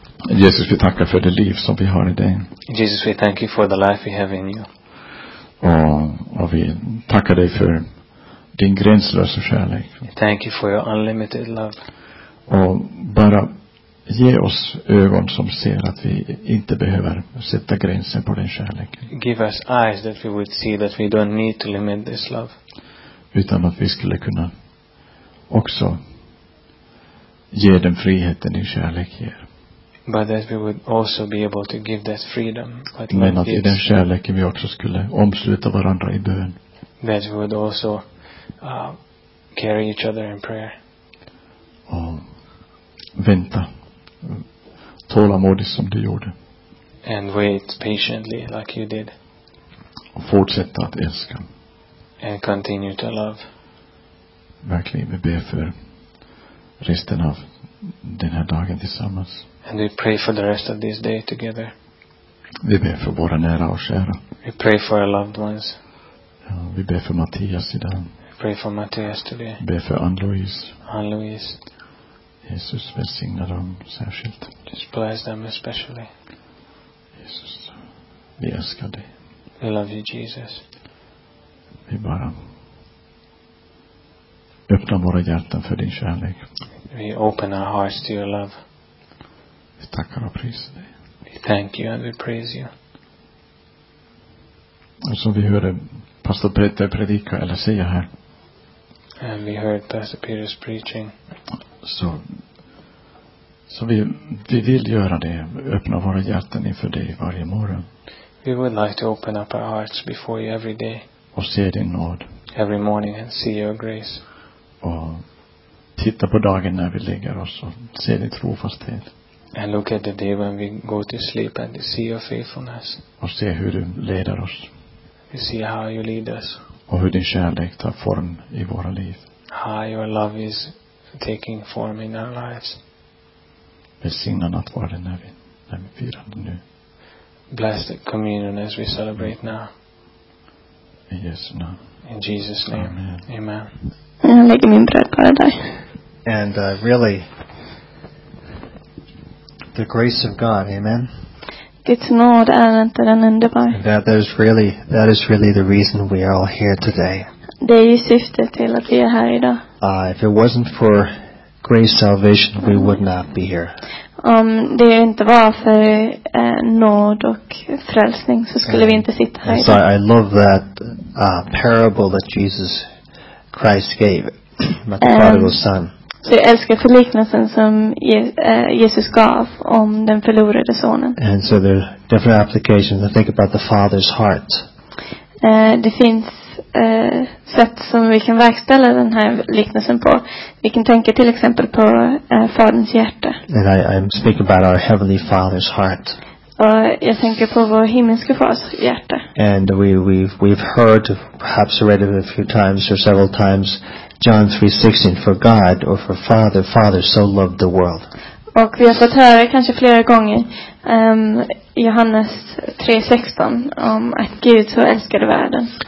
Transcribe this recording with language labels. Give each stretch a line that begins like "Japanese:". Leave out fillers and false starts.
Swedish: Jesus, vi tackar för det liv som vi har i dig.
English: Jesus, we thank you for the life we have in you.
Swedish: Och vi tackar dig för din gränslösa kärlek.
English: Thank you for your unlimited love.
Swedish: Och bara ge oss ögon som ser att vi inte behöver sätta gränsen på din kärlek.
English: Give us eyes that we would see that we don't need to limit this love.
Swedish: Utan att vi skulle kunna också ge den friheten din kärlek ger.
English: But that we would also be able to give that freedom.
Swedish: Men att i den kärleken vi också skulle omsluta varandra i bön.
English: That we would also carry each other in prayer.
Swedish: Och vänta tålamodigt som du gjorde.
English: And wait patiently like you did.
Swedish: Och fortsätta att älska.
English: And continue to love.
Swedish: Verkligen, vi ber för resten av den här dagen tillsammans.
English: And we pray for the rest of this day together.
Swedish: Vi ber för våra nära och kära.
English: We pray for our loved ones.
Swedish: Ja, vi ber för Mattias idag.
English: We pray for Mattias today.
Swedish: Vi ber för Anne-Louise.
English: Anne-Louise.
Swedish: Jesus, välsigna dem särskilt.
English: Just bless them especially.
Swedish: Jesus, vi älskar dig.
English: We love you, Jesus.
Swedish: Vi bara öppnar våra hjärtan för din kärlek.
English: We open our hearts to your love.
Swedish: Vi tackar och prisar dig.
English: We thank you and we praise you.
Swedish: Och som vi hörde pastor Peter predika eller säga här.
English: And we heard Pastor Peter's preaching.
Swedish: Så vi vill göra det, öppna våra hjärtan inför dig varje morgon.
English: We would like to open up our hearts before you every day.
Swedish: Och se din nåd.
English: Every morning and see your grace.
Swedish: Och titta på dagen när vi ligger oss och se din trofasthet.
English: And look at the day when we go to sleep and see your faithfulness.
Swedish: Och se hur du leder oss.
English: We see how you lead us.
Swedish: Och hur din kärlek tar form i våra liv.
English: How your love is taking form in our lives.
Swedish: Välsigna nattvarden när vi firar nu.
English: Bless the communion as we celebrate now.
Swedish: In Jesu namn.
English: In Jesus' name. Amen.
Swedish: Lägger min brödkara där.
English: And really, the grace of God, amen.
Swedish: Guds nåd är inte den underbar.
English: That is really the reason we are all here today.
Swedish: Det är ju syftet till att vi är här idag.
English: If it wasn't for grace salvation, we would not be here.
Swedish: Om det inte var för nåd och frälsning, så skulle vi inte sitta här.
English: So I love that parable that Jesus Christ gave about the prodigal son.
Swedish: Så jag älskar förliknelsen som Jesus gav om den förlorade sonen.
English: And so there are different applications. I think about the father's heart.
Swedish: Det finns sätt som vi kan verkställa den här liknelsen på. Vi kan tänka till exempel på faderns hjärta.
English: And I'm speaking about our heavenly father's heart.
Swedish: Och jag tänker på vår himmelska fars hjärta.
English: And we've heard, perhaps read it a few times or several times, John 3:16, for God or for Father so loved the world.
Swedish: Och vi har fått höra kanske flera gånger Johannes 3:16 om att Gud så älskade världen.